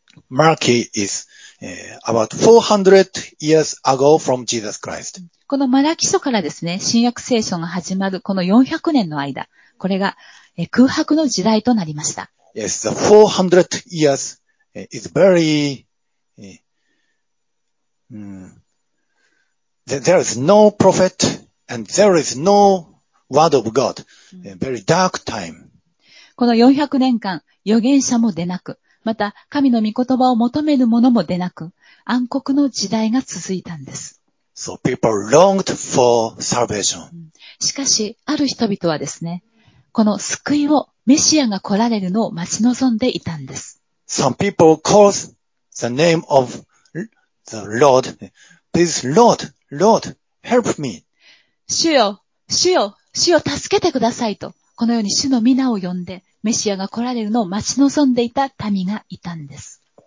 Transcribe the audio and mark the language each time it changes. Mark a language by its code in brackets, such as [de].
[en] Malachi is about 400 years ago from Jesus Christ. [ja] このマラキ書からですね、新約聖書が始まるこの400年の間、これが空白の時代となりました。 [en] Yes, the 400 years is very there is no prophet and there is no word of God. Very dark time. [ja] この400年間、預言者も出なく、また神の御言葉を求める者も出なく、暗黒の時代が続いたんです。 [en] So people longed for salvation. [ja] しかし、ある人々はですね、この救いを、メシアが来られるのを待ち望んでいたんです。 [en] Some people call the name of the Lord. Please, Lord, Lord, help me. [ja] 主よ、主よ、主よ、助けてくださいと、このように主の皆を呼んで、メシアが来られるのを待ち望んでいた民がいたんです。